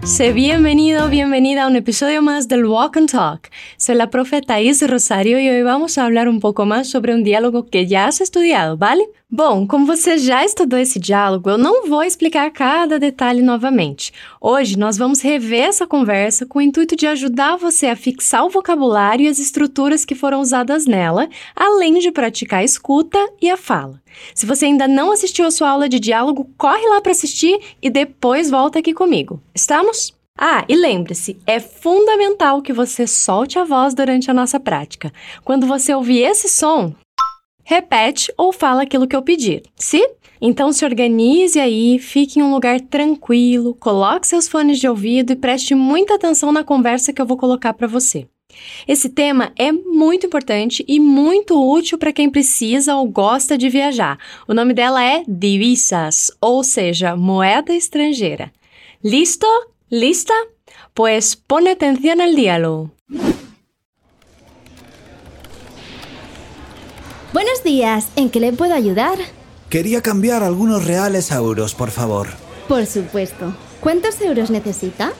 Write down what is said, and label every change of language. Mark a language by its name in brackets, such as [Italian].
[Spanish] Sé bienvenido, bienvenida a un episodio más del Walk and Talk. Soy la profe Thais Rosario y hoy vamos a hablar un poco más sobre un diálogo que ya has estudiado, ¿vale? [Portuguese] Bom, como você já estudou esse diálogo, eu não vou explicar cada detalhe novamente. Hoje, nós vamos rever essa conversa com o intuito de ajudar você a fixar o vocabulário e as estruturas que foram usadas nela, além de praticar a escuta e a fala. Se você ainda não assistiu a sua aula de diálogo, corre lá para assistir e depois volta aqui comigo. Estamos? Ah, e lembre-se, é fundamental que você solte a voz durante a nossa prática. Quando você ouvir esse som, repete ou fala aquilo que eu pedir, sim? Então se organize aí, fique em um lugar tranquilo, coloque seus fones de ouvido e preste muita atenção na conversa que eu vou colocar para você. Esse tema é muito importante e muito útil para quem precisa ou gosta de viajar. O nome dela é divisas, ou seja, moeda estrangeira. [Spanish] Listo? Lista? Pues pone atención al diálogo. Buenos días, ¿en qué le puedo ayudar? Quería cambiar algunos reales a euros, por favor. Por supuesto. ¿Cuántos euros necesita?